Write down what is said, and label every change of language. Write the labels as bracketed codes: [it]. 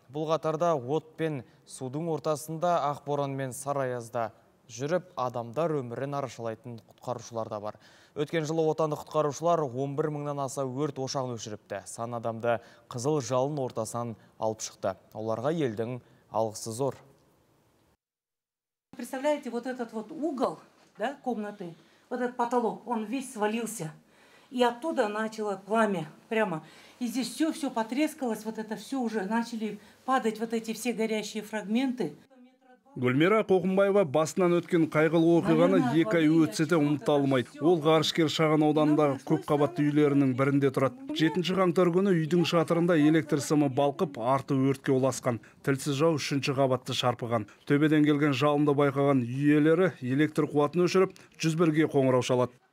[kk] Бұл қатарда от пен судың ортасында ақ боран мен сары аязда жүріп адамдар өмірін арашалайтын құтқарушылар да бар. Өткен жылы отандық құтқарушылар 11 мыңнан аса өрт ошағын өшіріпті. Сан адамды қызыл жалын ортасынан алып шықты. Оларға елдің алғысы зор. [ru] Представляете, вот этот вот угол, да, комнаты, вот этот потолок, он весь свалился. И оттуда начало пламя прямо. И здесь все потрескалось, вот это все уже начали падать, вот эти все горящие фрагменты. [kk] Гүлмира Қоқымбаева басынан өткен қайғылы оқиғаны 2 ай өтсе де ұмыта алмайды. Ол ғарышкер шағын ауданындағы көп қабатты үйлерінің бірінде тұрады. 7 қаңтар күні үйдің шатырында электр сымы балқып, арты өртке ұласқан. Тілсіз жау 3 қабатты шарпыған. Төбеден келген жалынды байқаған үйелері электр қуатын өшіріп, 101-ге қоңырау шалады.